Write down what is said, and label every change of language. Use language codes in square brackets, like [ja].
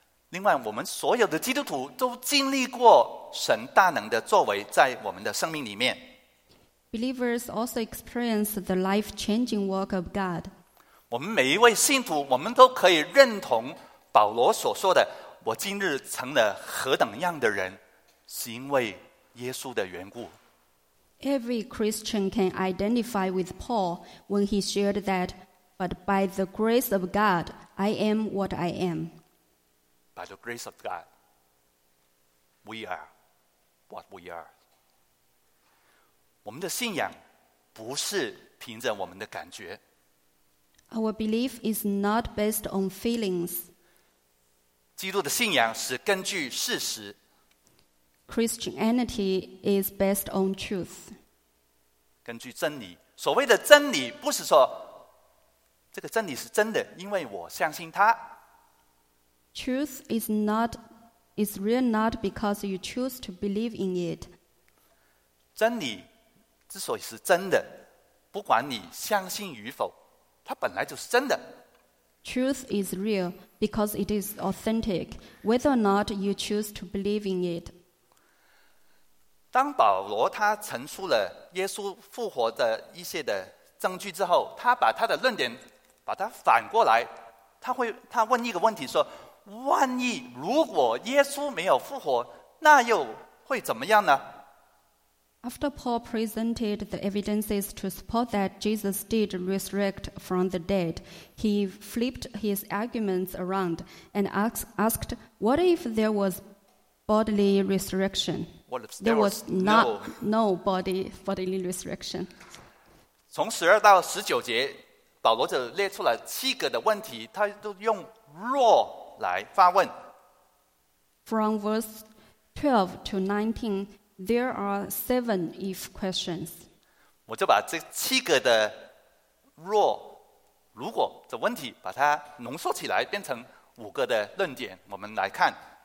[zh] 另外，我们所有的基督徒都经历过神大能的作为在我们的生命里面。 [en] Believers also experience the life-changing work of God. [zh] 我们每一位信徒，我们都可以认同保罗所说的：“我今日成了何等样的人，是因为耶稣的缘故。” [en] Every Christian can identify with Paul when he shared that, "But by the grace of God, I am what I am." By the grace of God, we are what we are. [zh] 我们的信仰不是凭着我们的感觉。 [en] Our belief is not based on feelings. [zh] 基督的信仰是根据事实。 [en] Christianity is based on truth. [zh] 根据真理，所谓的真理不是说这个真理是真的，因为我相信它。 [en] Truth is real not because you choose to believe in it. [zh] 真理之所以是真的，不管你相信与否，它本来就是真的。 [en] Truth is real because it is authentic, whether or not you choose to believe in it. [zh] 当保罗他陈述了耶稣复活的一些的证据之后，他把他的论点把它反过来，他问一个问题说：万一如果耶稣没有复活，那又会怎么样呢？ [en] After Paul presented the evidences to support that Jesus did resurrect from the dead, he flipped his arguments around and asked, "What if there was bodily resurrection?" What if there was no bodily resurrection? [zh] 从十二到十九节，保罗就列出了七个的问题，他都用若来发问。 [en] From verse 12 to 19, there are seven if questions. [zh] 我就把这七个的若如果的问题，把它浓缩起来，变成五个的论点，我们来看。